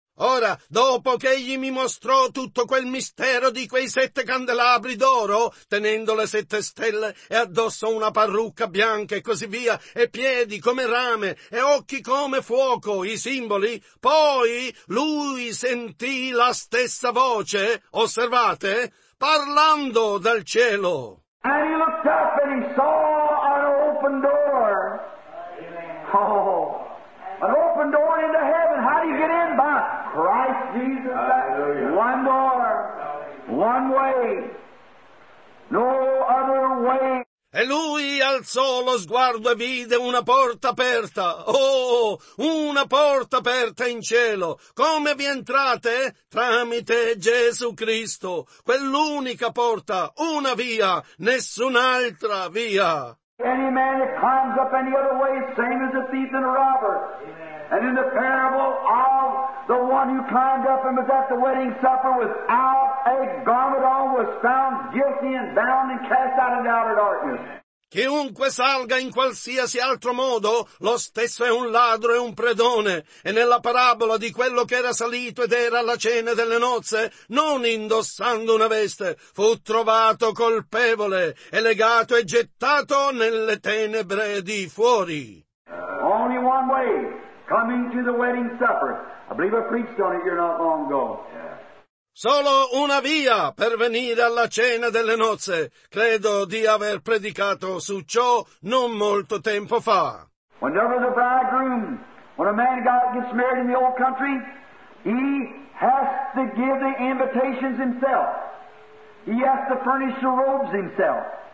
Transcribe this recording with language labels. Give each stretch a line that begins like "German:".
Italian: Ora, dopo che egli mi mostrò tutto quel mistero di quei sette candelabri d'oro, tenendo le sette stelle e addosso una parrucca bianca e così via, e piedi come rame e occhi come fuoco, i simboli, poi lui sentì la stessa voce, osservate, parlando dal cielo.
English: And he looked up and he saw an open door. Oh. An open door into heaven. How do you get in? By Christ Jesus. Hallelujah. One door. One way. No other way.
Italian: E lui alzò lo sguardo e vide una porta aperta. Oh, una porta aperta in cielo. Come vi entrate? Tramite Gesù Cristo. Quell'unica porta, una via, nessun'altra via.
English: Any man that climbs up any other way, same as a thief and a robber. Amen. And in the parable of the one who climbed up and was at the wedding supper without a garment on, was found guilty and bound and cast out into outer darkness.
Italian: Chiunque salga in qualsiasi altro modo, lo stesso è un ladro e un predone. E nella parabola di quello che era salito ed era alla cena delle nozze, non indossando una veste, fu trovato colpevole e legato e gettato nelle tenebre di fuori.
English: Only one way, coming to the wedding supper. I believe I preached on it here not long ago.
Italian: Solo una via per venire alla cena delle nozze. Credo di aver predicato su ciò non molto tempo fa.
English: Whenever the bridegroom, when a man gets married in the old country, he has to give the invitations himself. He has to furnish the robes himself.